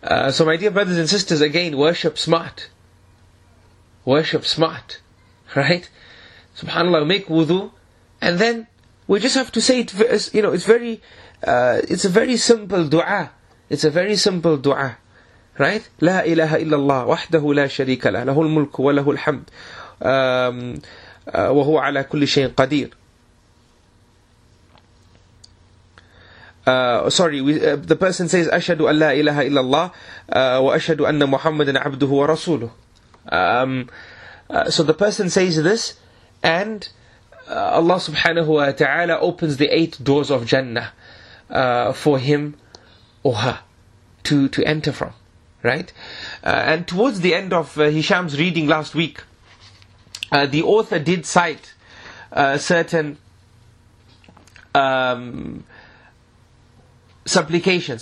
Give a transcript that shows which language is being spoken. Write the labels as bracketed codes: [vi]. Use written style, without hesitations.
[en] So my dear brothers and sisters, again, worship smart. Worship smart. Right? SubhanAllah, make wudu. And then we just have to say it, you know, it's a very simple dua. It's a very simple dua, right? [ar] لا إله إلا الله وحده لا شريك له له الملك وله الحمد وهو على كل شيء قدير. [en] The person says, [ar] أشهد أن لا إله إلا الله وأشهد أن محمدا عبده ورسوله. [en] So the person says this, and Allah subhanahu wa ta'ala opens the 8 doors of Jannah for him or her. To enter from, right? And towards the end of Hisham's reading last week, the author did cite certain supplications.